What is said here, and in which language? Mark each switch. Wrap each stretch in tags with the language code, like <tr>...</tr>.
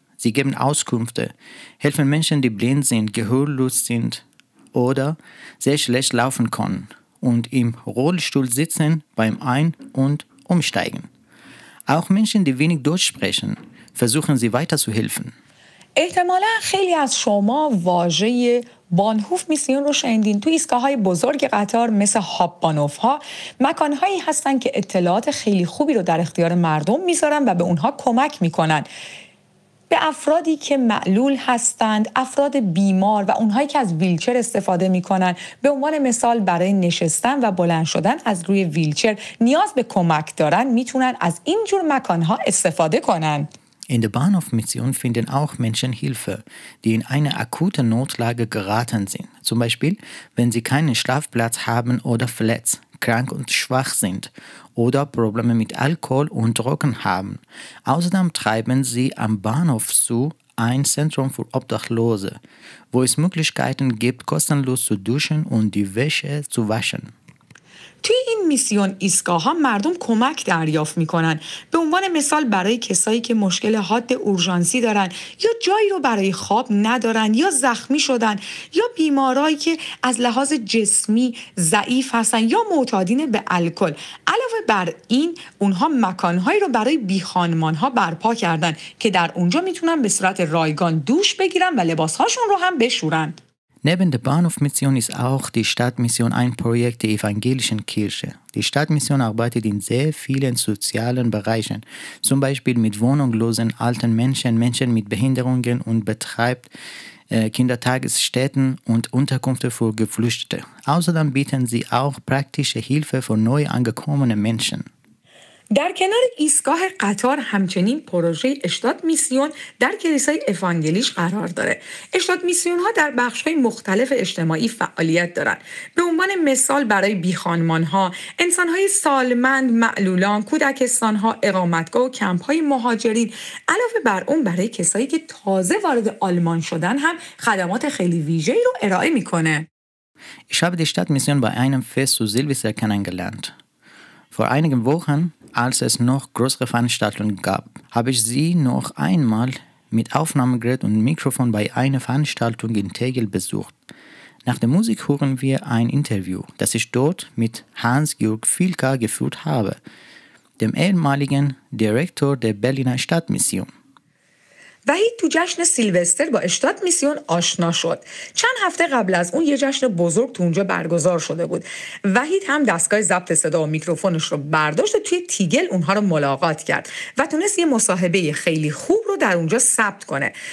<de>Sie geben Auskünfte, helfen Menschen, die blind sind, gehörlos sind oder sehr schlecht laufen können und im Rollstuhl sitzen beim Ein- und Umsteigen. Auch Menschen, die wenig Deutsch sprechen, versuchen sie weiterzuhelfen.</de> <fa>احتمالاً خیلی از شما واژه بانهوف میسیون رو شنیدین. تو ایستگاه‌های بزرگ قطار مثل هاب بانهوف‌ها مکان‌هایی هستن که اطلاعات خیلی خوبی رو در اختیار مردم میذارن و به اونها کمک میکنن. به افرادی که معلول هستند، افراد بیمار و اونهایی که از ویلچر استفاده میکنن، به عنوان مثال برای نشستن و بلند شدن از روی ویلچر نیاز به کمک دارن، میتونن از این جور مکان‌ها استفاده کنن.</fa> <de>In der Bahnhofmission finden auch Menschen Hilfe, die in eine akute Notlage geraten sind. Zum Beispiel, wenn sie keinen Schlafplatz haben oder verletzt, krank und schwach sind oder Probleme mit Alkohol und Drogen haben. Außerdem treiben sie am Bahnhof zu ein Zentrum für Obdachlose, wo es Möglichkeiten gibt, kostenlos zu duschen und die Wäsche zu waschen.</de> <fa>توی این میسیون ایستگاه ها مردم کمک دریافت میکنن، به عنوان مثال برای کسایی که مشکل حاد اورژانسی دارن یا جایی رو برای خواب ندارن یا زخمی شدن یا بیمارایی که از لحاظ جسمی ضعیف هستن یا معتادین به الکل. علاوه بر این اونها مکانهایی رو برای بیخانمان ها برپا کردن که در اونجا میتونن به صورت رایگان دوش بگیرن و لباس هاشون رو هم بشورن.</fa> <de>Neben der Bahnhofmission ist auch die Stadtmission ein Projekt der evangelischen Kirche. Die Stadtmission arbeitet in sehr vielen sozialen Bereichen, zum Beispiel mit wohnungslosen alten Menschen, Menschen mit Behinderungen und betreibt Kindertagesstätten und Unterkünfte für Geflüchtete. Außerdem bieten sie auch praktische Hilfe für neu angekommene Menschen.</de> <fa>در کنار ایستگاه قطار همچنین پروژه اشتاد میسیون در کلیسای افانگلیش قرار داره. اشتاد میسیون ها در بخش های مختلف اجتماعی فعالیت دارن. به عنوان مثال برای بیخانمان ها، انسان های سالمند، معلولان، کودکستان ها، اقامتگاه و کمپ های مهاجرین، علاوه بر اون برای کسایی که تازه وارد آلمان شدن هم خدمات خیلی ویژه ای رو ارائه میکنه.</fa> <de>Ich habe die Stadtmission bei einem Fest zu Silvester kennengelernt. Vor einigen Wochen, als es noch größere Veranstaltungen gab, habe ich sie noch einmal mit Aufnahmegerät und Mikrofon bei einer Veranstaltung in Tegel besucht. Nach der Musik hören wir ein Interview, das ich dort mit Hans-Jürg Filka geführt habe, dem ehemaligen Direktor der Berliner Stadtmission.</de> <fa>وحید تو جشن سیلوستر با اشتاد میسیون آشنا شد. چند هفته قبل از اون یه جشن بزرگ تو اونجا برگزار شده بود. وحید هم دستگاه ضبط صدا و میکروفونش رو برداشت و توی تیگل اونها رو ملاقات کرد و تونست یه مصاحبه خیلی خوب رو در اونجا ثبت کنه.</fa>